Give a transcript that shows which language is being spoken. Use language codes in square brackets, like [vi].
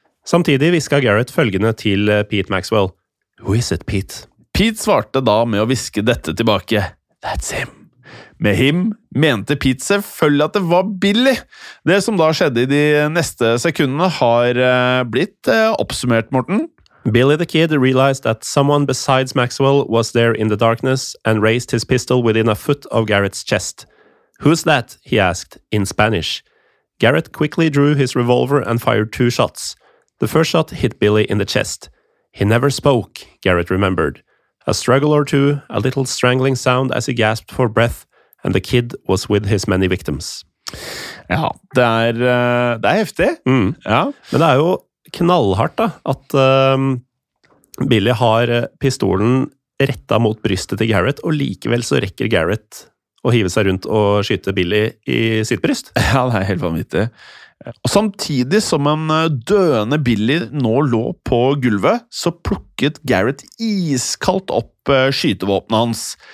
[no] Samtidig viska Garrett følgende til Pete Maxwell. [en] «Who is it, Pete?» [no] Pete svarte da med å viske dette tilbake. [en] «That's him.» [no] Med him mente Pete selvfølgelig at det var Billy. Det som da skjedde I de neste sekundene har blitt oppsummert, Morten. [en] Billy the Kid realized that someone besides Maxwell was there in the darkness and raised his pistol within a foot of Garrett's chest. Who's that? He asked in Spanish. Garrett quickly drew his revolver and fired two shots. The first shot hit Billy in the chest. He never spoke, Garrett remembered. A struggle or two, a little strangling sound as he gasped for breath, And the kid was with his many victims. [no] Ja, det er heftig. Mm. Ja. Men det jo knallhardt da, at Billy har pistolen rettet mot brystet til Garrett, og likevel så rekker Garrett å hive seg rundt og skyte Billy I sitt bryst. Ja, det helt vanvittig. Og samtidig som en døende Billy nå lå på gulvet, så plukket Garrett iskaldt opp skytevåpnet hans.